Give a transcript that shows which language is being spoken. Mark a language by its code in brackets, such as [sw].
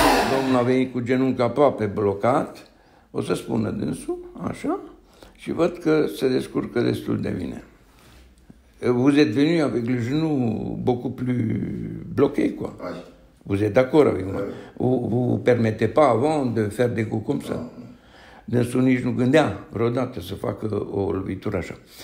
[ro] Domnul a venit cu genunchi aproape blocat. O să spună dânsul, așa, și văd că se descurcă destul de bine. [fr] Vous êtes venu avec le genou beaucoup plus bloqué, quoi. Oui. Vous êtes d'accord avec moi. Vous ne vous permettez pas avant de faire des coups comme ça. [ro] Dânsul nici nu gândea vreodată să facă o lovitură așa.